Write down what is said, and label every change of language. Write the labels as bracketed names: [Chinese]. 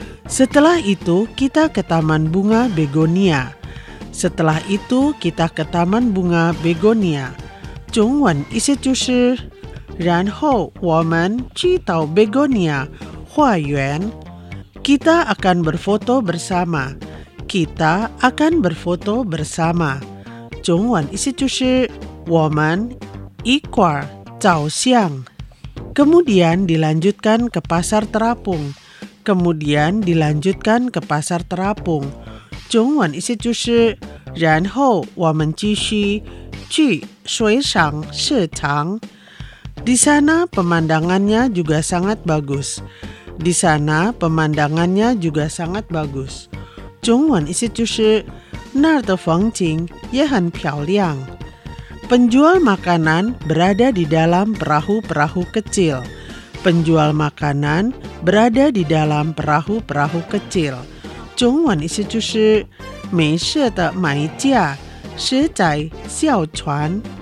[Indonesian] Setelah itu kita ke taman bunga begonia. Setelah itu kita ke taman bunga begonia. [Chinese] 中文意思就是，然后我们去到 begonia 花园。 [Indonesian] Kita akan berfoto bersama. Kita akan berfoto bersama. [Chinese] 中文意思就是，我们一块儿照相。 [Indonesian] Kemudian dilanjutkan ke pasar terapung. Kemudian dilanjutkan ke pasar terapung. [Chinese] 中文意思就是，然后我们继续去水上市场。 [Indonesian] Di sana pemandangannya juga sangat bagus. Di sana pemandangannya juga sangat bagus. [Chinese] 中文意思就是，那儿的风景也很漂亮。 [Indonesian] Penjual makanan berada di dalam perahu-perahu kecil. Penjual makanan berada di dalam perahu-perahu kecil. [Chinese] 中文意思就是，没事的买家是在小船。